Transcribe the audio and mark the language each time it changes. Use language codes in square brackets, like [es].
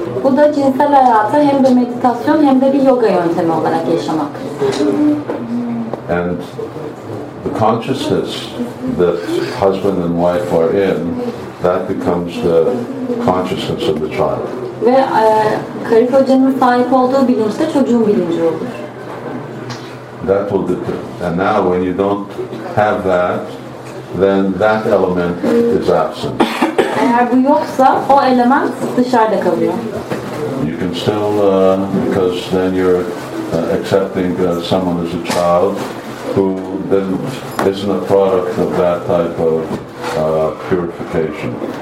[tr] Bu da cinsel hayatı hem bir meditasyon hem de bir yoga yöntemi olarak yaşamak. [en] And the consciousness that husband and wife are in, that becomes the consciousness of the child. [tr] Ve karı kocanın sahip olduğu bilinç de çocuğun bilinci olur. [en] That will differ. And now when you don't have that, then that element is absent. [tr] Eğer bu yoksa o element dışarıda kalıyor. [en] You can still, because then you're accepting someone as a child who then isn't a product of that type of purification.